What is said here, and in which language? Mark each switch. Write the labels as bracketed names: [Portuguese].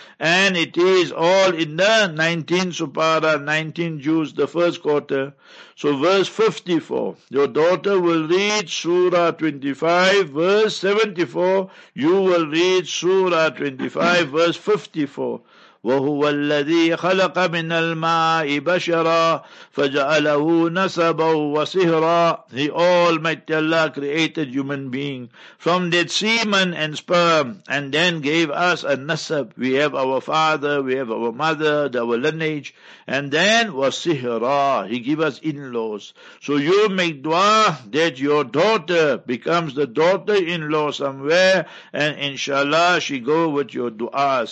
[English] And it is all in the 19th supara, 19 Jews, the first quarter. So verse 54, your daughter will read Surah 25, verse 74. You will read Surah 25, verse 54. [Arabic] وهو الذي خلق من الماء بشرا فجعله نسبا وصهرا. [English] The Almighty Allah created human being from that semen and sperm, and then gave us a nasab. We have our father, we have our mother, our lineage, and then wasihra, he give us in-laws. So you make dua that your daughter becomes the daughter-in-law somewhere, and inshallah she go with your duas.